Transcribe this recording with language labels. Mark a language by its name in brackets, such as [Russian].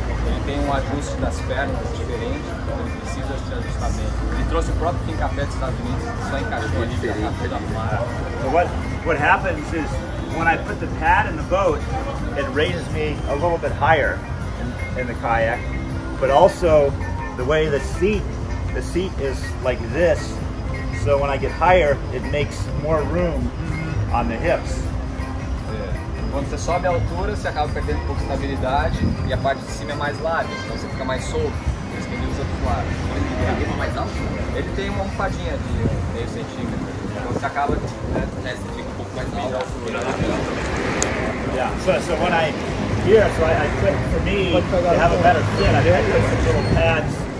[Portuguese] Ele tem um ajuste das pernas diferente, então ele precisa se ajustar bem. Ele trouxe o próprio fincapé dos Estados Unidos, só encaixou ali pra café da mar. [English] So what happens is when I put the pad in the boat, it raises me a little bit higher in the kayak, but also the way the seat is like this, so when I get higher, it makes more room on the hips. Yeah. [Portuguese] Quando você sobe a altura, você acaba perdendo um pouco de estabilidade e a parte de cima é mais larga, então você fica mais solto. Por isso que ele usa do lado. Ele tem uma almofadinha de meio centímetro. Então você acaba, né, você fica um pouco mais alto. [English] Yeah. So when I here, so I click for me to have a better fit. I have these little pads.